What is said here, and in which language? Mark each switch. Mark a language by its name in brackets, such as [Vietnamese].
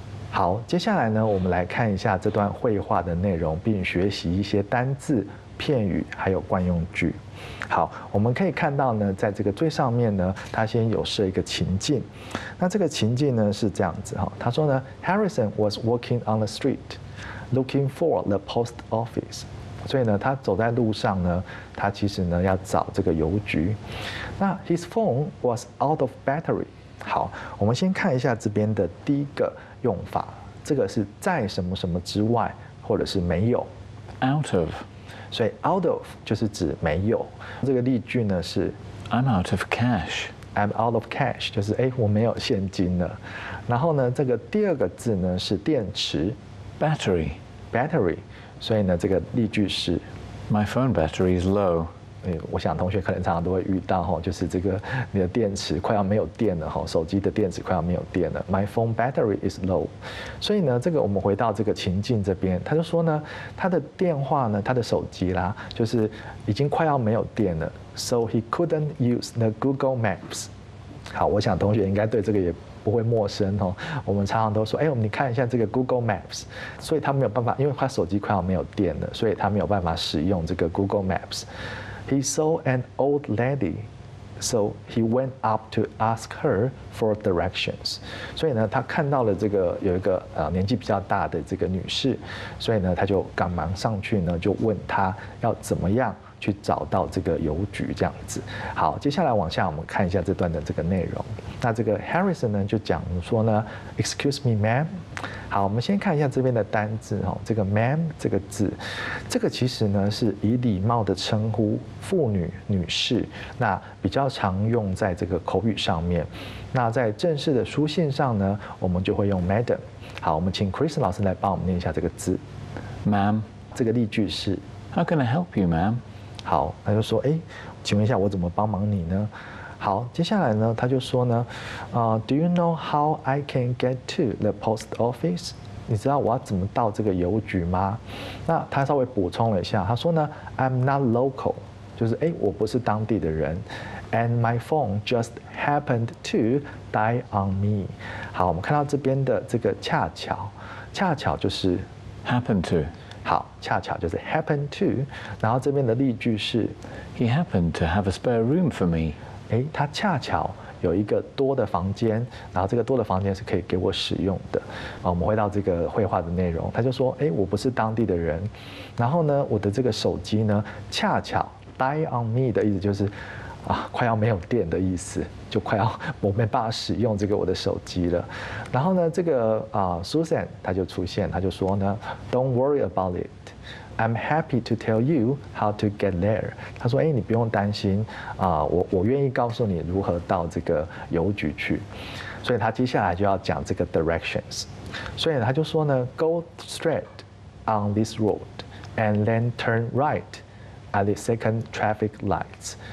[Chinese] 好，接下来呢，我们来看一下这段绘画的内容，并学习一些单字、片语，还有惯用句。好，我们可以看到呢，在这个最上面呢，他先有设一个情境。那这个情境呢是这样子哈，他说呢 ， [English] Harrison was walking on the street. Looking for the post office. [Chinese] 所以呢，他走在路上呢，他其实呢要找这个邮局。 [English] 那 his phone was out of battery. [Chinese] 好，我们先看一下这边的第一个用法，这个是在什么什么之外，或者是没有。 [English] Out of. [Chinese] 所以 out of 就是指没有。这个例句呢是 [English] I'm out of cash. I'm out of cash. [Chinese] 就是我没有现金了。然后呢，这个第二个字呢是电池。 [English] Battery. [Chinese] 所以呢，这个例句是 [English] My phone battery is low. [Chinese] 我想同学可能常常都会遇到，就是这个你的电池快要没有电了，手机的电池快要没有电了。 [English] My phone battery is low. [Chinese] 所以呢，这个我们回到这个情境这边，他就说呢，他的电话呢，他的手机啦，就是已经快要没有电了。 [English] So he couldn't use the Google Maps. [Chinese] 好，我想同学应该对这个也不会陌生哦，我们常常都说，你看一下这个 Google Maps， 所以他没有办法，因为他手机快要没有电了，所以他没有办法使用这个 Google Maps。 [English] He saw an old lady, so he went up to ask her for directions。 [Chinese] 所以呢，他看到了这个有一个年纪比较大的这个女士，所以呢，他就赶忙上去呢，就问她要怎么样去找到这个邮局这样子。好，接下来往下我们看一下这段的这个内容。那这个 Harrison 呢就讲说呢 ， [English] Excuse me, ma'am, [Chinese] 好，我们先看一下这边的单字哦，这个 ma'am 这个字，这个其实呢是以礼貌的称呼妇女、女士，那比较常用在这个口语上面。那在正式的书信上呢，我们就会用 madam。好，我们请 Chris 老师来帮我们念一下这个字 [English] ，ma'am。 [Chinese] 这个例句是 [English] ，How can I help you, ma'am？ [Chinese] 好，他就说，哎，请问一下，我怎么帮忙你呢？好，接下来呢，他就说呢， [English] Do you know how I can get to the post office？ [Chinese] 你知道我要怎么到这个邮局吗？那他稍微补充了一下，他说呢 [English] ，I'm not local， [Chinese] 就是哎，我不是当地的人 [English] ，and my phone just happened to die on me。 [Chinese] 好，我们看到这边的这个恰巧，恰巧就是 [English] happen to。 [Chinese] 好，恰巧就是 [English] happen to， [Chinese] 然后这边的例句是 [English] ，He happened to have a spare room for me。 [Chinese] 哎，他恰巧有一个多的房间，然后这个多的房间是可以给我使用的。啊，我们回到这个绘画的内容，他就说，哎，我不是当地的人，然后呢，我的这个手机呢，恰巧 [English] die on me [Chinese] 的意思就是，啊，快要没有电的意思，就快要我没办法使用这个我的手机了。然后呢，这个Susan 他就出现，他就说呢 ， [English] Don't worry about it。 I'm happy to tell you how to get there. [Chinese] 他说：“哎，你不用担心啊，我愿意告诉你如何到这个邮局去。” 所以他接下来就要讲这个 directions。所以他就说呢 [English] ，Go straight on this road and then turn right at the second traffic lights.